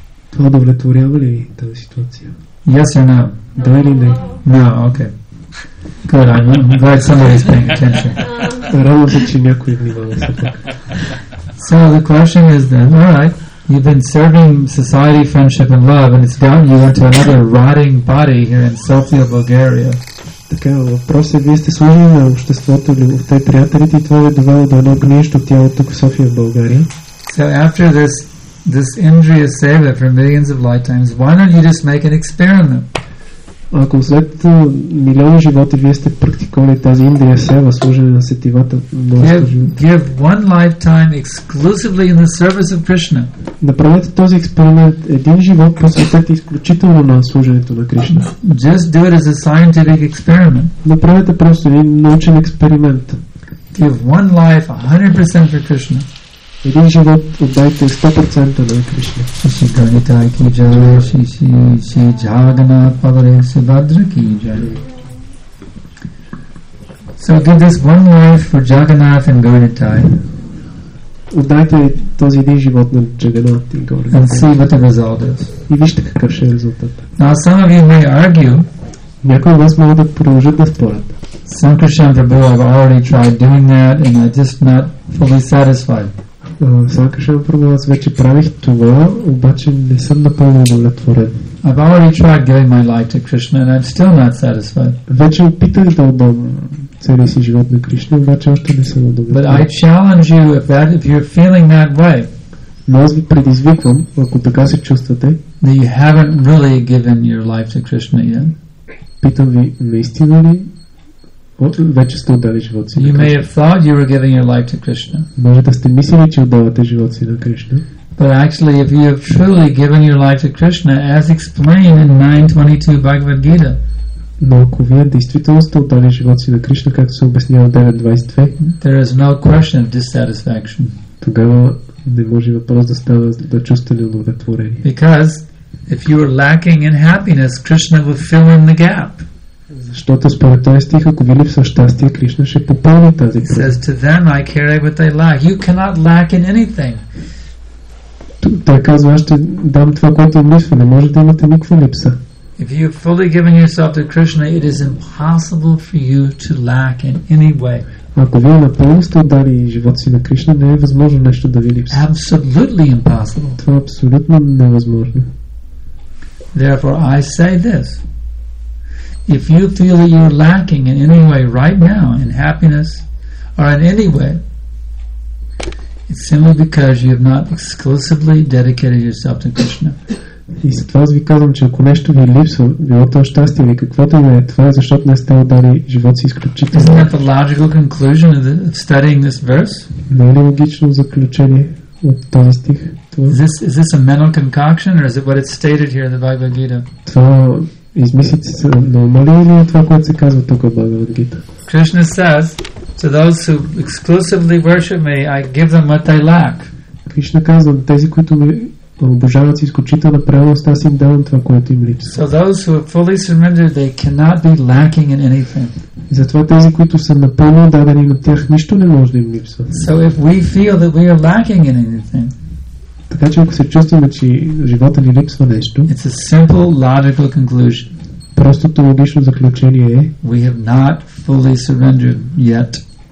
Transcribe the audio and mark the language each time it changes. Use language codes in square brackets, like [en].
[bg] Това удовлетворява ли тази ситуация? [en] Yes or no? [bg] Да или не? [en] No, okay. Good, I'm glad somebody's paying attention. [bg] Радвам се, че някой внимава се тук. [en] So the question is then, all right, you've been serving society, friendship and love and it's gotten you into another rotting body here in Sofia, Bulgaria. [bg] Така, въпросът е, вие сте служили на обществото, любовта и приятелите и това ви довело до едно гнищо тяло тук в София, България. [en] So after this injury is saved for millions of lifetimes, why don't you just make an experiment? [bg] Ако след милиони животи вие сте практикували тази индрия сева, служене на сетивата, [en] give one lifetime exclusively in the service of Krishna. [bg] Направете този експеримент. Един живот посветете изключително на служенето на Кришна. [en] Just do it as a scientific experiment. [bg] Направете просто един научен експеримент. [en] Give one life 100% for Krishna. [bg] Един живот отдайте 100% на Кришна. [sa] Шри Ганита ки джай, Шри Джагана Павари Сивадра ки джай. [en] So give this one life for Jagannath and Ganitai. [bg] Отдайте този един живот на Джаганат и Ганитай. [en] And see what the result is. [bg] И вижте какъв ще е резултат. [en] Now some of you may argue. [bg] Някои от вас могат да продължат да спорят. [en] Some Krishna Prabhu have already tried doing that and I'm just not fully satisfied. [bg] Сакашен проблемът вече правих това, обаче не съм напълно удовлетворен. [en] I've already tried giving my life to Krishna and I'm still not satisfied. [bg] Вече опитах да отдам целия си живот на Кришна, обаче още не съм удовлетворен. [en] But I challenge you if you're feeling that way. [bg] Но аз ви предизвиквам, ако така се чувствате, [en] that you haven't really given your life to Krishna yet. [bg] Питам ви, наистина ли вече сте отдали живота си на [en] Кришна. You may have thought you were giving your life to Krishna. [bg] Може да сте мислили, че отдавате живота си на Кришна. [en] But actually, if you have truly given your life to Krishna, as explained in 9.22 Bhagavad Gita, [bg] но ако вие действително сте отдали живота си на Кришна, както се обяснява 9.22, [en] there is no question of dissatisfaction. [bg] Тогава не може въпрос да става да чувствате удовлетворение. [en] Because if you are lacking in happiness, Krishna will fill in the gap. [bg] Защото според този стих, ако ви липсва щастие, Кришна ще попълни тази пръст. [en] He says to them, I carry what they lack. You cannot lack in anything. [bg] Той казва, аз ще дам това, което им липсва. Не може да имате никаква липса. [en] If you have fully given yourself to Krishna, it is impossible for you to lack in any way. [bg] Ако вие напълно сте отдали живота си на Кришна, не е възможно нещо да ви липсва. [en] Absolutely impossible. [bg] Това е абсолютно невъзможно. [en] Therefore, I say this. If you feel that you're lacking in any way right now in happiness or in any way, it's simply because you have not exclusively dedicated yourself to Krishna. [bg] И затова аз ви казвам, че ако нещо ви липсва, било то щастие или каквото ви е, това е защото не сте отдали живота си изключително. [en] Isn't that the logical conclusion of studying this verse? [bg] Не е ли логично заключение от този стих? [en] Is this a mental concoction or is it what it's stated here in the Bhagavad Gita? [bg] Измислите се на ума ли или това, което се казва тук в Бхагавад Гита? [en] Кришна says, to those who exclusively worship me, I give them what they lack. [bg] Кришна казва, тези, които ме обожават с изключителна преданост, аз им давам това, което им липсва. [en] So those who are fully surrendered, they cannot be lacking in anything. [bg] Затова тези, които са напълно дадени на тях, нищо не може да им липсва. [en] So if we feel that we are lacking in anything, [bg] така че ако се чувстваме, че живота ни липсва нещо, [en] it's a simple logical conclusion. [bg] Простото логично заключение е, [en] we have not fully surrendered yet.